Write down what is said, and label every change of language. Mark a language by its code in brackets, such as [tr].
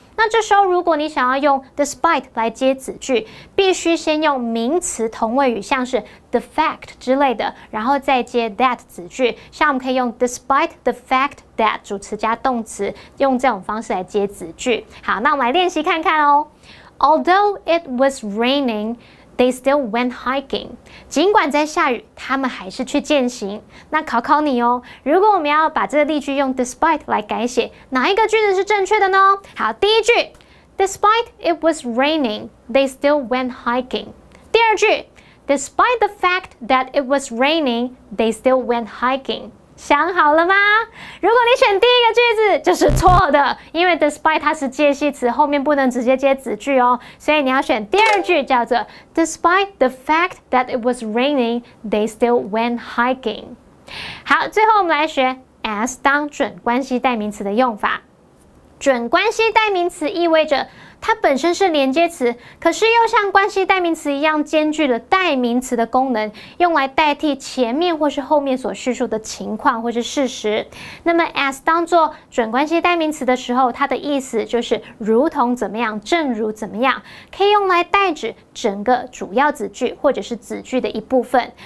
[zh] 那这时候如果你想要用 despite 来接子句，必须先用名词同位语，像是 the fact 之类的，然后再接 that 子句。像我们可以用 [en] despite the fact that [zh] 主词加动词，用这种方式来接子句。好，那我们来练习看看哦。 [en] Although it was raining, they still went hiking. [zh] 尽管在下雨，他们还是去健行。那考考你哦，如果我们要把这个例句用 despite 来改写，哪一个句子是正确的呢？好，第一句 [en] ，Despite it was raining, they still went hiking. [zh] 第二句 [en] ，Despite the fact that it was raining, they still went hiking. [zh] 想好了吗？如果你选第一个句子，就是错的，因为 despite 它是介系词，后面不能直接接子句哦。所以你要选第二句，叫做 [en] despite the fact that it was raining, they still went hiking. [zh] 好，最后我们来学 as 当准关系代名词的用法。准关系代名词意味着它本身是连接词，可是又像关系代名词一样兼具了代名词的功能，用来代替前面或是后面所叙述的情况或是事实。那么 as 当作准关系代名词的时候，它的意思就是如同怎么样，正如怎么样，可以用来代指整个主要子句或者是子句的一部分。